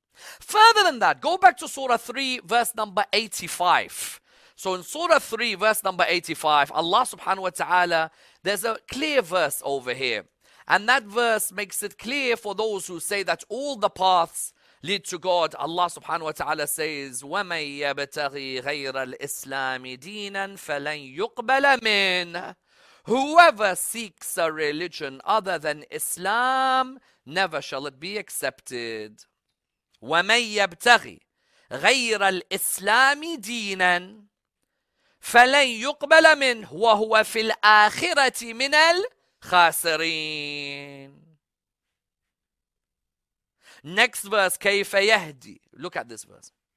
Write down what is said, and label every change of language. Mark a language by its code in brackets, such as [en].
[en] Further than that, go back to Surah 3, verse number 85. So in Surah 3, verse number 85, Allah subhanahu wa ta'ala, there's a clear verse over here. And that verse makes it clear for those who say that all the paths lead to God. Allah subhanahu wa ta'ala says, [ar] وَمَنْ يَبْتَغِي غَيْرَ الْإِسْلَامِ دِينًا فَلَنْ يُقْبَلَ مِنْ. [en] Whoever seeks a religion other than Islam, never shall it be accepted. [ar] وَمَنْ يَبْتَغِي غَيْرَ الْإِسْلَامِ دِينًا فَلَنْ يُقْبَلَ مِنْهُ وَهُوَ فِي الْآخِرَةِ مِنَ الْخَاسِرِينَ. [en] Next verse, [ar] كَيْفَ يَهْدِي. [en] Look at this verse.